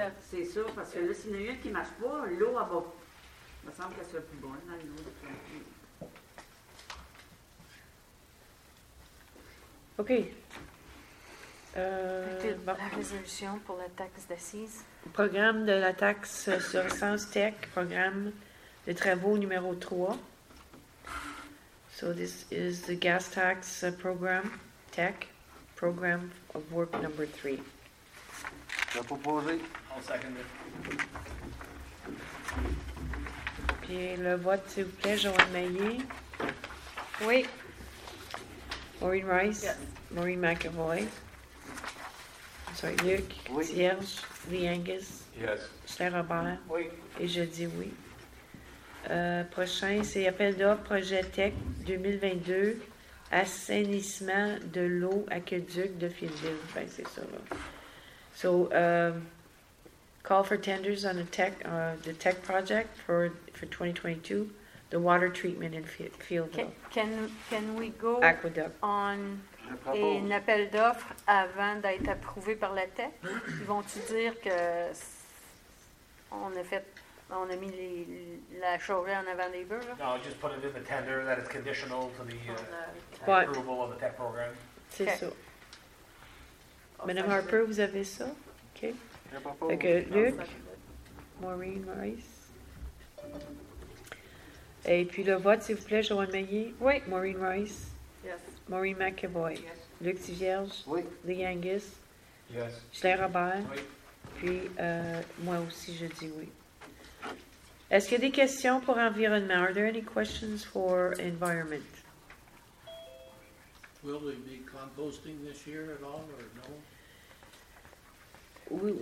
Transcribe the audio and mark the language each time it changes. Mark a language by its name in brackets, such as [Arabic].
[French] c'est ça, parce que là, s'il y en a une qui ne marche pas, l'eau va. Il me semble qu'elle soit plus bonne dans l'eau. OK. La résolution pour la taxe d'assise. Programme de la taxe sur Sens Tech, programme de travaux numéro 3. [English] So this is the gas tax program, Tech, program of work number 3. [French] Je vais proposer. [English] I'll second it. [French] Et le vote, s'il vous plaît, Joanne Maillet. Oui. Maureen Rice. [English] Yes. Maureen McAvoy. I'm sorry, Luc. [French] Oui. Serge. Lee Angus. [English] Yes. Claire Robert. [French] Oui. Et je dis oui. Prochain, c'est appel d'offres projet TEC 2022, assainissement de l'eau aqueduc de Fieldville. Ben, c'est ça, là. [English] So, call for tenders on the tech project for 2022, the water treatment in Fieldville. Can we go Aqueduct. [French] On an appel d'offres avant d'être approuvé par la tech? Ils vont-ils dire que on a mis la chaurée en avant des bœufs? [English] No, just put it in the tender that it's conditional to the approval of the tech program. [French] C'est ça. Madame Harper, vous avez ça? Okay. Donc, Luc, Maureen Rice. Et puis le vote, s'il vous plaît, Joanne Maillet. Oui. Maureen Rice. [English] Yes. Maureen McAvoy. Yes. Luc Tivierge. [French] Oui. Lee Angus. [English] Yes. Claire Robert. [French] Oui. Puis moi aussi, je dis oui. Est-ce qu'il y a des questions pour environnement? [English] Are there any questions for environment? Will there be composting this year at all or no?